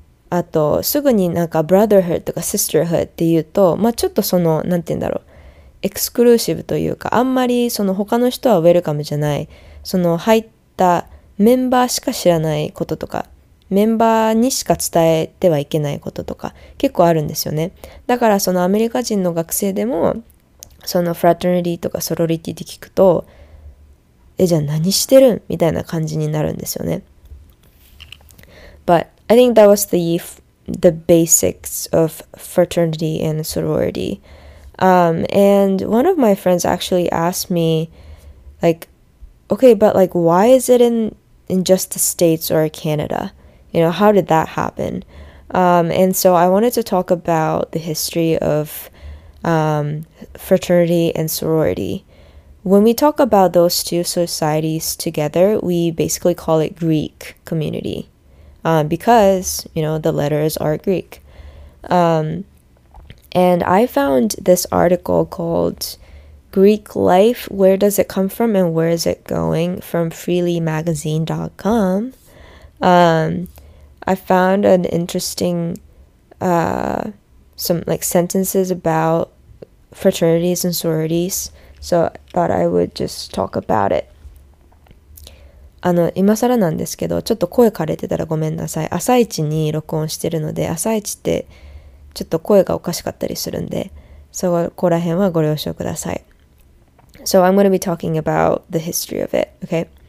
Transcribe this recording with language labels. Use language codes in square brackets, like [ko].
[ja] あとすぐになんかブラザーフードとかシスターフードっていうと、まあちょっとその、なんて言うんだろう、エクスクルーシブというか、あんまりその他の人はウェルカムじゃない、その入ったメンバーしか知らないこととか、メンバーにしか伝えてはいけないこととか結構あるんですよね。だからそのアメリカ人の学生でもそのフラテルニティとかソロリティって聞くと、え、じゃあ何してるみたいな感じになるんですよね。 [en] But I think that was the basics of fraternity and sorority. And one of my friends actually asked me likeOkay, but like, why is it in just the States or Canada? You know, how did that happen? And so I wanted to talk about the history of fraternity and sorority. When we talk about those two societies together, we basically call it Greek community. Because, you know, the letters are Greek. And I found this article called Greek Life, Where Does It Come From and Where Is It Going? From freelymagazine.com. I found an interesting, some like sentences about fraternities and sororities. So I thought I would just talk about it. [ja] 今更なんですけど、ちょっと声枯れてたらごめんなさい。朝一に録音してるので、朝一ってちょっと声がおかしかったりするんで、そこら辺はご了承ください。 [en] So I'm going to be talking about the history of it, okay?